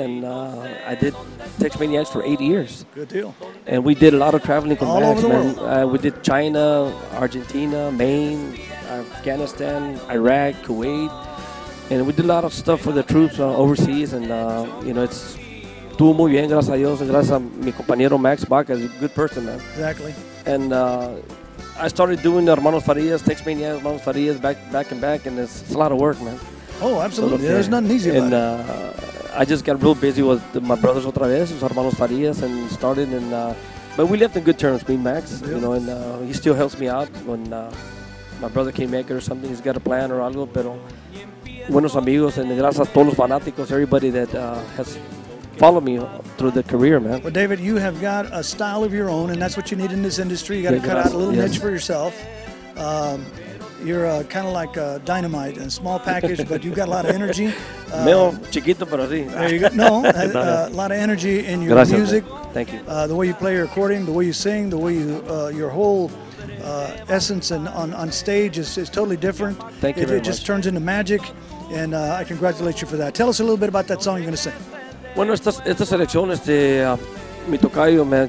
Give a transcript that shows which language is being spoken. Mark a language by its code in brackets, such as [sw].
[en] And I did Tex Maniacs for 8 years. Good deal. And we did a lot of traveling all over the world. We did China, Argentina, Maine, Afghanistan, Iraq, Kuwait, and we did a lot of stuff for the troops overseas. And you know, it's [es] Tuvo muy bien, gracias a Dios, gracias a mi compañero Max Bach, [en] he's a good person, man. Exactly. And I started doing the Hermanos Farias, Texmania, Hermanos Farias, back and back, and it's a lot of work, man. Oh, absolutely. So, yeah, there's nothing easy about and, I just got real busy with my brothers [es] otra vez, los Hermanos Farias, [en] and started, and but we left in good terms, me and Max, you know, and he still helps me out when my brother came back or something, he's got a plan or algo, pero buenos amigos, and [es] gracias a todos los fanáticos, [en] everybody that has followed me through the career, man. Well, David, you have got a style of your own, and that's what you need in this industry. You got to cut out a little niche for yourself. You're kind of like a dynamite in a small package, but you've got a lot of energy. [es] Meo chiquito, pero sí. [en] There you go. No, a lot of energy in your [es] gracias, [en] music. Man. Thank you. The way you play your accordion, the way you sing, the way you your whole essence and on stage is totally different. Thank you. It, very it just much. Turns into magic, and I congratulate you for that. Tell us a little bit about that song you're going to sing. [es] Bueno, esta selección es de mi tocayo, [en] man.